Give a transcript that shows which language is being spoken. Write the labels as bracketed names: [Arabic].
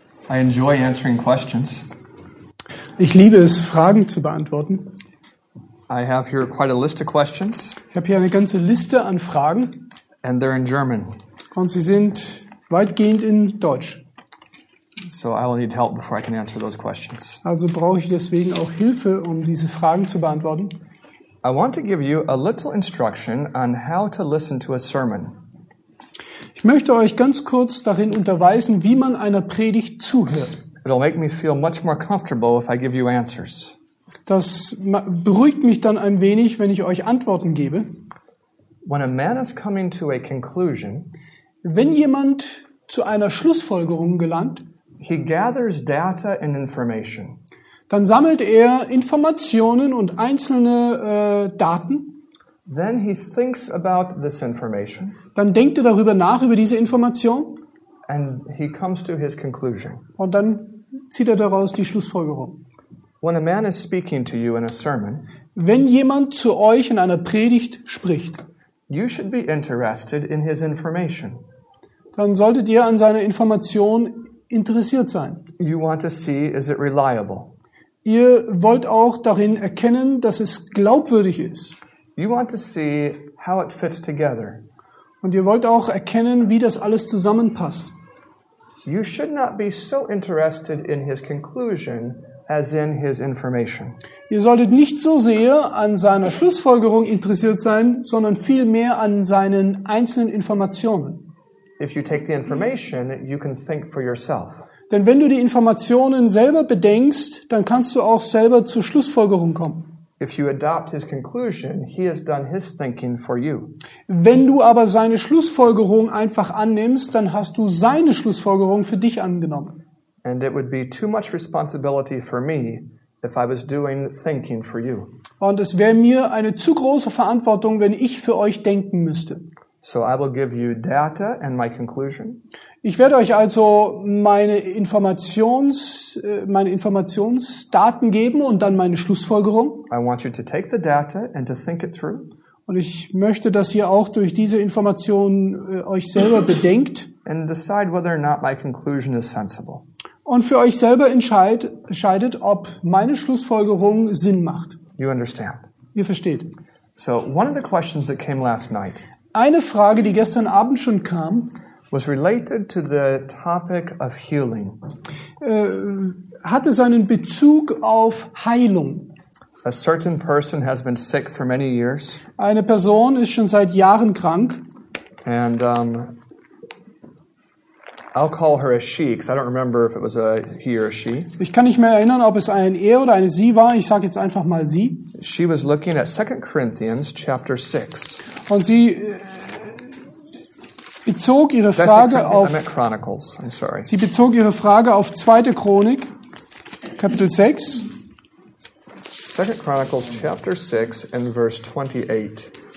[English] I enjoy answering questions. [German] Ich liebe es, Fragen zu beantworten. [English] I have here quite a list of questions. [German] Ich habe hier eine ganze Liste an Fragen. [English] And they're in German. [German] Und sie sind weitgehend in Deutsch. [English] So I will need help before I can answer those questions. [German] Also brauche ich deswegen auch Hilfe, um diese Fragen zu beantworten. [English] I want to give you a little instruction on how to listen to a sermon. [German] Ich möchte euch ganz kurz darin unterweisen, wie man einer Predigt zuhört. [English] It'll make me feel much more comfortable if I give you answers. [German] Das beruhigt mich dann ein wenig, wenn ich euch Antworten gebe. [English] When a man is coming to a conclusion, [German] wenn jemand zu einer Schlussfolgerung gelangt, [English] he gathers data and information. [German] Dann sammelt er Informationen und einzelne Daten. [English] Then he thinks about this information. [German] Dann denkt er darüber nach, über diese Information. [English] And he comes to his conclusion. [German] Und dann zieht er daraus die Schlussfolgerung. [English] When a man is speaking to you in a sermon, [German] wenn jemand zu euch in einer Predigt spricht, [English] you should be interested in his information. [German] Dann solltet ihr an seiner Information interessiert sein. [English] You want to see, is it reliable? [German] Ihr wollt auch darin erkennen, dass es glaubwürdig ist. [English] You want to see how it fits together. [German] Und ihr wollt auch erkennen, wie das alles zusammenpasst. [English] You should not be so interested in his conclusion as in his information. [German] Ihr solltet nicht so sehr an seiner Schlussfolgerung interessiert sein, sondern vielmehr an seinen einzelnen Informationen. [English] If you take the information, you can think for yourself. [German] Denn wenn du die Informationen selber bedenkst, dann kannst du auch selber zur Schlussfolgerung kommen. [English] If you adopt his conclusion, he has done his thinking for you. [German] Wenn du aber seine Schlussfolgerung einfach annimmst, dann hast du seine Schlussfolgerung für dich angenommen. [English] And it would be too much responsibility for me if I was doing thinking for you. [German] Und es wäre mir eine zu große Verantwortung, wenn ich für euch denken müsste. [English] So I will give you data and my conclusion. [German] Ich werde euch also meine Informationsdaten geben und dann meine Schlussfolgerung. [English] I want you to take the data and to think it through. [German] Und ich möchte, dass ihr auch durch diese Information euch selber bedenkt. [English] And decide whether or not my conclusion is sensible. [German] Und für euch selber entscheidet, ob meine Schlussfolgerung Sinn macht. [English] You understand. [German] Ihr versteht. [English] So one of the questions that came last night. [German] Eine Frage, die gestern Abend schon kam, [English] was related to the topic of healing. [German] Hatte seinen Bezug auf Heilung. [English] A certain person has been sick for many years. [German] Eine Person ist schon seit Jahren krank. [English] And I'll call her a she, because I don't remember if it was a he or a she. [German] Ich kann nicht mehr erinnern, ob es ein er oder eine sie war. Ich sage jetzt einfach mal sie. [English] She was looking at 2 Corinthians chapter 6. [German] Und sie bezog ihre Frage auf. [English] I meant Chronicles. I'm sorry. [German] Sie bezog ihre Frage auf 2. Chronik, Kapitel 6. [English] 2 Chronicles chapter 6 and verse 28.